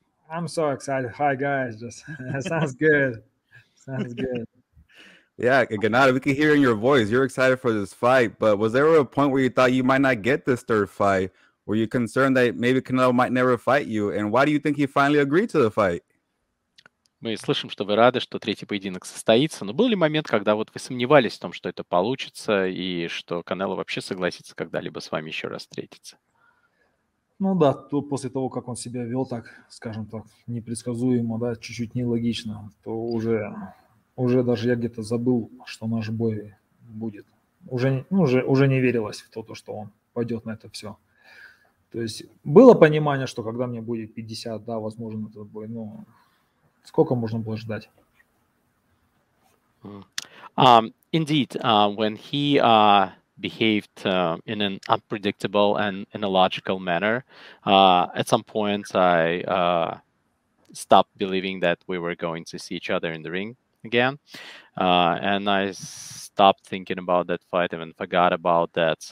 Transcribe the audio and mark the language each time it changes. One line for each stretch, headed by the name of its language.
English: I'm so excited. Hi, guys. Just sounds good. Sounds good. Yeah, Gennadiy, we can hear in your voice. You're excited for this fight, but was there a point where you thought you might not get this third fight? Were you concerned that maybe Canelo might never fight you? And why do you think he finally agreed to the fight?
Russian: Мы слышим, что вы рады, что третий поединок состоится. Но был ли момент, когда вот вы сомневались в том, что это получится, и что Канело вообще согласится когда-либо с вами еще раз встретиться? Ну да, то после того, как он себя вел так, скажем так, непредсказуемо, да, чуть-чуть нелогично, то уже даже я где-то забыл, что наш бой будет. Уже не верилось в то, что он пойдет на это все. То есть было понимание, что когда мне будет 50, да, возможен этот бой, но сколько можно было ждать?
English: Indeed, when he behaved in an unpredictable and in a logical manner, at some point I stopped believing that we were going to see each other in the ring again, and I stopped thinking about that fight and forgot about that.